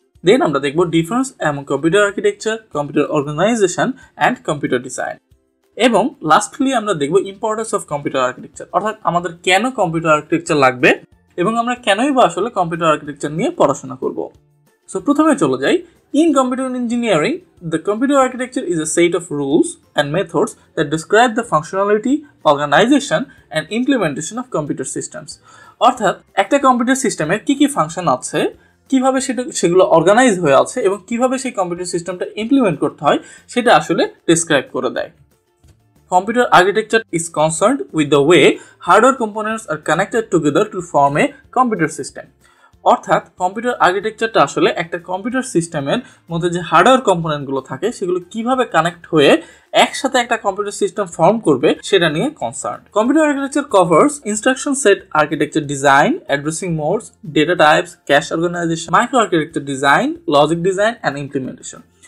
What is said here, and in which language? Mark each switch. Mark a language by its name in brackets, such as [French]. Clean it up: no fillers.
[Bangla] দেন আমরা দেখব ডিফারেন্স এবং computer architecture, computer organisation and computer design. এবং লাস্টলি আমরা দেখব ইম্পর্টেন্স অফ কম্পিউটার আর্কিটেকচার, অর্থাৎ আমাদের কেন কম্পিউটার আর্কিটেকচার লাগবে এবং আমরা কেনই বা আসলে কম্পিউটার আর্কিটেকচার নিয়ে পড়াশোনা করব। সো প্রথমে চলে যাই। [English] In computer engineering, the computer architecture is a set of rules and methods that describe the functionality, organization, and implementation of computer systems. [Bangla] অর্থাৎ একটা কম্পিউটার সিস্টেমে কি কি ফাংশন আছে, কিভাবে সেগুলো অর্গানাইজ হয়ে আছে এবং কিভাবে সেই কম্পিউটার সিস্টেমটা ইমপ্লিমেন্ট করতে হয় সেটা আসলে ডিসক্রাইব করে দেয়। [English] Computer architecture is concerned with the way hardware components are connected together to form a computer system. [Bangla] অর্থাৎ কম্পিউটার আর্কিটেকচারটা আসলে একটা কম্পিউটার সিস্টেমের মধ্যে যে হার্ডওয়্যার কম্পোনেন্টগুলো থাকে সেগুলো কিভাবে কানেক্ট হয়ে একসাথে একটা কম্পিউটার সিস্টেম ফর্ম করবে সেটা নিয়ে concern. [English] Computer architecture covers instruction set architecture design, addressing modes, data types, cache organization, micro architecture design, logic design and implementation.